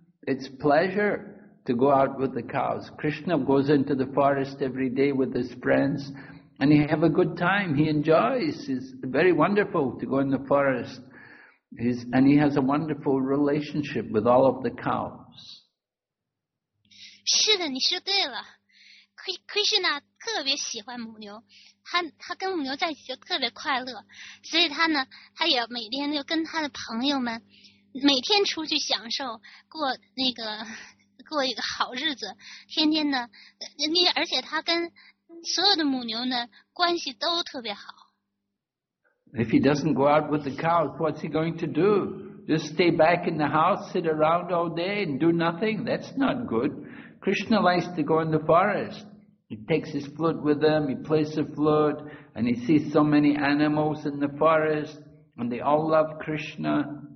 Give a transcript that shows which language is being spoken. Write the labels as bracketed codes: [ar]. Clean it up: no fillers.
[en] It's pleasure to go out with the cows. Krishna goes into the forest every day with his friends, and he have a good time. He enjoys. It's very wonderful to go in the forest. And he has a wonderful relationship with all of the cows. [zh] 是的，你说对了。 Krishna 特别喜欢母牛，他跟母牛在一起就特别快乐，所以他呢，他也每天就跟他的朋友们每天出去享受，过一个好日子，天天的，而且他跟所有的母牛呢关系都特别好。 [en] If he doesn't go out with the cows, what's he going to do? Just stay back in the house, sit around all day and do nothing? That's not good. Krishna likes to go in the forest. He takes his flute with him, he plays the flute, and he sees so many animals in the forest, and they all love Krishna.